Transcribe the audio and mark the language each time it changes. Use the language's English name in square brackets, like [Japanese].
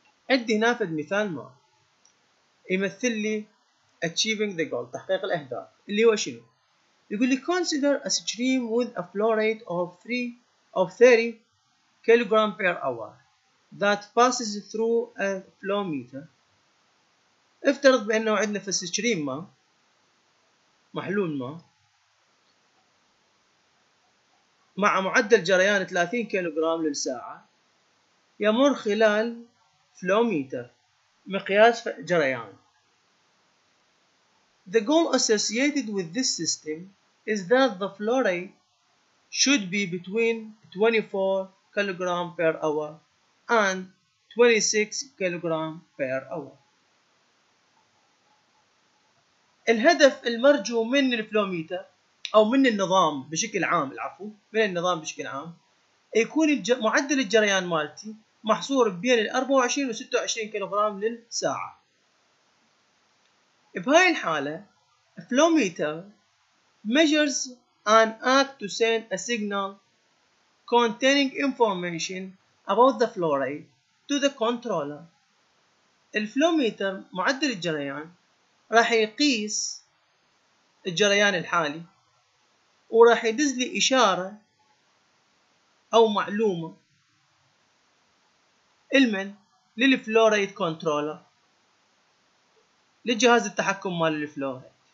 [Arabic] عندي هنا فد مثال ما يمثل لي [English] achieving the goal [Arabic] تحقيق الأهداف اللي هو شنو؟ يقول لي [English] consider a stream with a flow rate of 30 kilogram per hour that passes through a flow meter. [Arabic] افترض بأنه عندنا في stream ما محلول ما مع معدل جريان 30 كيلوغرام للساعة يمر خلال فلوميتر مقياس جريان. [English] The goal associated with this system is that the flow rate should be between 24 kilogram per hour and 26 kilogram per hour. [Arabic] الهدف المرجو من الفلوميتر أو من النظام بشكل عام، العفو من النظام بشكل عام، يكون معدل الجريان مالتي محصور بين ال 24 و 26 كيلوغرام للساعة. بهاي الحالة [English] flowmeter measures an act to send a signal containing information about the flow rate to the controller. [Arabic] الflowmeter معدل الجريان راح يقيس الجريان الحالي وراح يدز لي إشارة أو معلومة المن للفلو ريت كنترولر للجهاز التحكم مال الفلو ريت.